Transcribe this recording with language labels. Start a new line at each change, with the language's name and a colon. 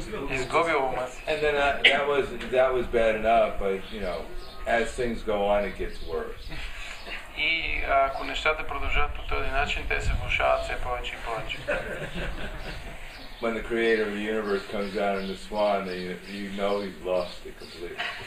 English: And then that was bad enough, but you know, as things go on, it gets worse.
Bulgarian: И ако нещата продължат по този начин, те се влошават все повече и повече.
English: When the creator of the universe comes down in the swan, then you know he's lost it completely.